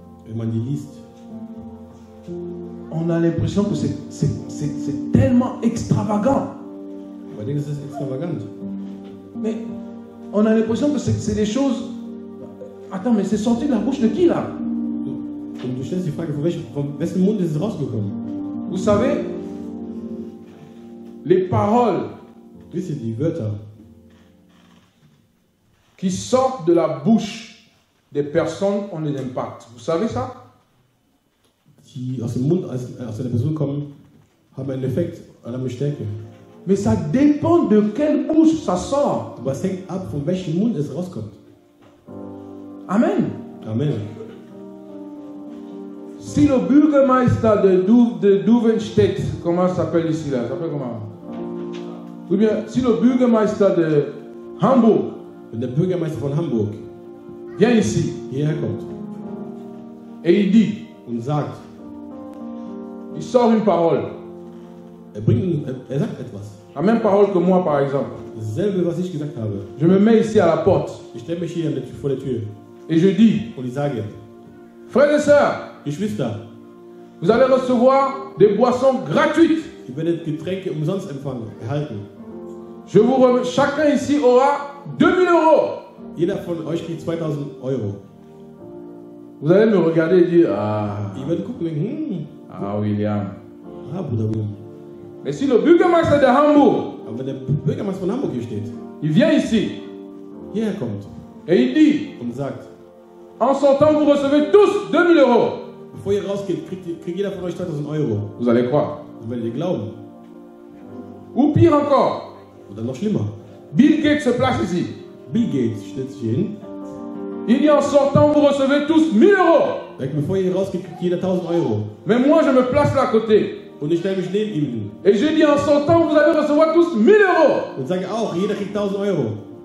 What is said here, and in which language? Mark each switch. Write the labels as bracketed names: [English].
[German] et man die liest, [French] on a l'impression que c'est tellement extravagant. [German] Man denkt, [French] c'est extravagant. Mais on a l'impression que c'est des choses. Attends, mais c'est sorti de la bouche de qui là? [German] Und du stellst die Frage, von wessen Mund ist es rausgekommen? [French] Vous savez, les paroles. [German] Wie sind die Wörter? [French] Qui sortent de la bouche des personnes ont un impact. Vous savez ça? [German] Die aus dem Mund aus einer Person kommen, haben einen Effekt, eine Stärke. [French] Mais ça dépend de quelle bouche ça sort. [German] Was hängt ab, von welchem Mund es rauskommt. Amen. Amen. [French] Si le Bürgermeister de Duvenstedt, comment s'appelle ici là? S'appelle comment? Ou bien, si le Bürgermeister de Hamburg. [German] Wenn der Bürgermeister von Hamburg [French] vient ici, [German] hierher kommt, [French] et il dit, [German] und sagt, [French] il sort une parole, [German] er sagt etwas, [French] la même parole que moi, par exemple, [German] dasselbe, was ich gesagt habe, [French] je me mets ici à la porte, [German] ich stelle mich hier vor der Tür, [French] et je dis, [German] und ich sage, [French] frères et sœurs, [German] Geschwister, [French] vous allez recevoir des boissons gratuites, [German] ihr werdet Getränke umsonst erhalten. [French] Je vous remercie. Chacun ici aura 2000 euros. [German] Jeder von euch kriegt 2000 Euro. [French] Vous allez me regarder et dire, ah. [German] Ich werde gucken, ah, William. Ah, Bruder William. [French] Mais si le Bürgermeister de Hamburg, [German] aber der Bürgermeister von Hamburg hier steht, [French] il vient ici, [German] hier kommt, [French] et il dit, [German] und sagt, [French] en sortant vous recevez tous 2000 euros. [German] Bevor ihr rausgeht, kriegt jeder von euch 2000 Euro. [French] Vous allez croire. Vous allez glauben. Ou pire encore. [German] Oder noch schlimmer. [French] Bill Gates se place ici. [German] Bill Gates steht hier hin. [French] Il dit en sortant vous recevez tous 1000 euros. [German] Donc, bevor ihr rausgeht, kriegt jeder 1000 Euro. [French] Mais moi je me place là à côté. [German] Und ich stelle mich neben ihm. [French] Et je dis en sortant vous allez recevoir tous 1000 euros. [German] Und sage auch, jeder kriegt 1000 Euro.